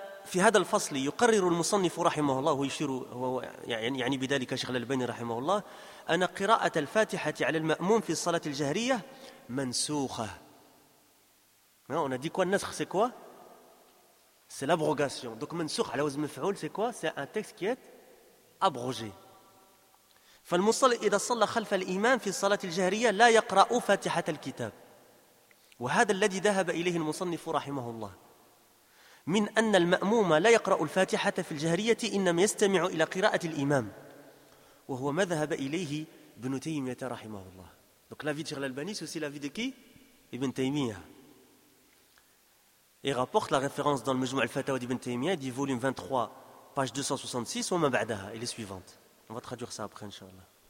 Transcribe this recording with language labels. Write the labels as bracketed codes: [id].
[ar] في هذا الفصل يقرر المصنف رحمه الله ويشير يعني بذلك شيخ الألباني رحمه الله أن قراءة الفاتحة على المأموم في الصلاة الجهرية منسوخة. [fr] On a dit quoi? النسخ c'est quoi? C'est l'abrogation. Donc [ar] منسوخ على وزن مفعول [fr] c'est quoi? C'est un texte qui est abrogé. [ar] فالمصلي إذا صلى خلف الإمام في الصلاة الجهرية لا يقرأ فاتحة الكتاب، وهذا الذي ذهب إليه المصنف رحمه الله، من أن المأموم لا يقرأ الفاتحة في الجهرية إنما يستمع إلى قراءة الإمام، وهو ما ذهب إليه ابن تيمية رحمه الله. [fr] Donc la vie de Cheikh Al-Albani, c'est aussi la vie de qui ? Ibn Taymiyyah. Il rapporte la référence dans le Majmou' al-Fatawa d'Ibn Taymiyyah, dit volume 23, page 266, ou Mabadaha, et les suivantes. On va traduire ça après, Inch'Allah.